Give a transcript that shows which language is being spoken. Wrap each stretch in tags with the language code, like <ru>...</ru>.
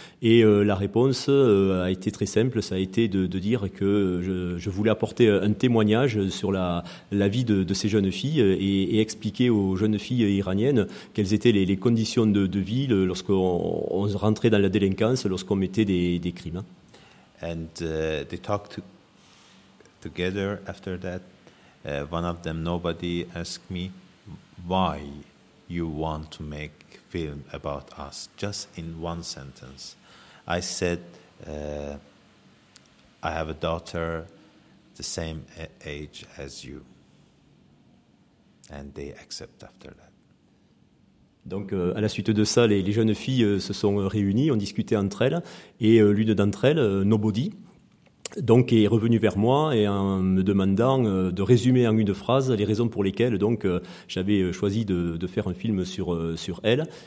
<fr>Et la réponse a été très simple, ça a été de dire que je voulais apporter un témoignage sur la vie de ces jeunes filles, et expliquer aux jeunes filles iraniennes quelles étaient les conditions de vie lorsqu'on rentrait dans la délinquance, lorsqu'on mettait des crimes.</fr> <en>And they talked together after that. One of them, nobody asked me why you want to make film about us, just in one sentence. I said, I have a daughter the same age as you. And they accept after that.</en> <fr>Donc à la suite de ça, les jeunes filles se sont réunies, ont discuté entre elles, et l'une d'entre elles, Nobody, donc est revenue vers moi, et en me demandant de résumer en une phrase les raisons pour lesquelles donc j'avais choisi de faire un film sur elle.</fr>